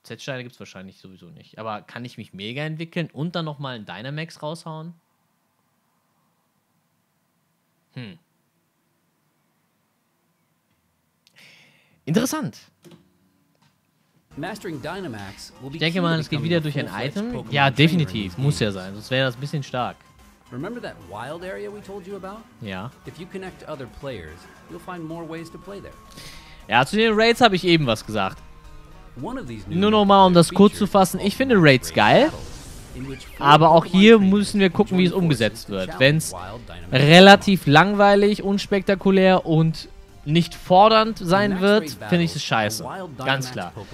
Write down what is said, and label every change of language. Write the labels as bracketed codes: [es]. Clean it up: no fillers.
[de] Z-Steine gibt es wahrscheinlich sowieso nicht. Aber kann ich mich mega entwickeln und dann nochmal einen Dynamax raushauen? Interessant. [en] Mastering Dynamax will be, [de] ich denke mal, es geht wieder durch ein Item. Pokemon, ja, definitiv. Muss ja sein. Sonst wäre das ein bisschen stark. [en] Remember that wild area we told you about? [de] Ja. [en] If you connect other players, you'll find more ways to play there. [de] Ja, zu den Raids habe ich eben was gesagt. Nur nochmal, um das kurz zu fassen, ich finde Raids geil, aber auch hier müssen wir gucken, wie es umgesetzt wird. Wenn es relativ langweilig, unspektakulär und nicht fordernd sein wird, finde ich es scheiße. Ganz klar.